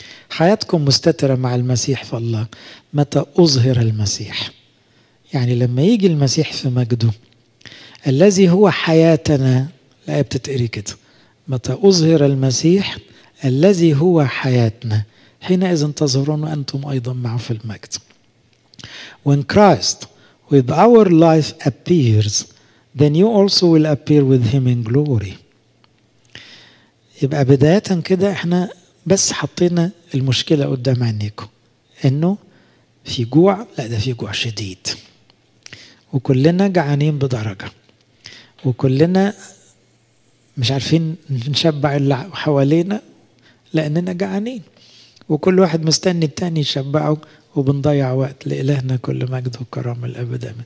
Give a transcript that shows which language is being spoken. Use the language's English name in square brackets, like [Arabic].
[Arabic] حياتكم مستترة مع المسيح في الله متى أظهر المسيح. يعني لما يجي المسيح في مجده الذي هو حياتنا، لا بتتقري كده، متى أظهر المسيح الذي هو حياتنا حينئذ تظهرون أنتم أيضا معه في المجد. [English] When Christ with our life appears then you also will appear with him in glory. [Arabic] يبقى بداية كده احنا بس حطينا المشكلة قدام عينيكم، انه في جوع، لا ده في جوع شديد، وكلنا جعانين بدرجة. وكلنا مش عارفين نشبع اللي حوالينا لأننا جعانين، وكل واحد مستني التاني يشبعه، وبنضيع وقت. لإلهنا كل مجد وكرامة الأبد آمين.